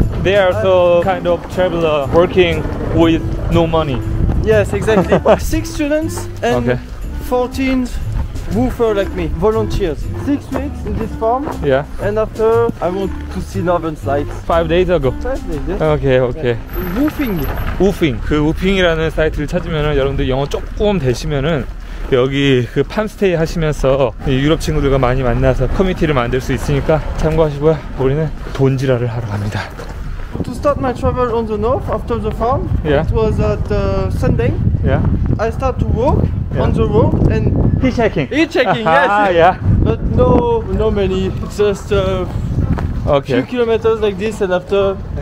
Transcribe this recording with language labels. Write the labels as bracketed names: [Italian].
[English] They are so kind of traveler working with no money. Yes, exactly. 6 students and 14 woofer like me, volunteers. 6 weeks in this farm. Yeah. And after, I want to see northern lights. 5 days ago. 5 days, yes. Okay, okay. Yeah. Woofing. Woofing. [Korean] 그 woofing이라는 사이트를 찾으면 여러분들 영어 조금 되시면은 여기 그 팜스테이 하시면서 유럽 친구들과 많이 만나서 커뮤니티를 만들 수 있으니까 참고하시고요. 우리는 돈지랄을 하러 갑니다. [English] To start my travel on the north after the farm, yeah. It was at Sunday. Yeah. I start to walk on the road and hitchhiking. Yes. Ah, yeah. But no many. It's just few kilometers like this, and after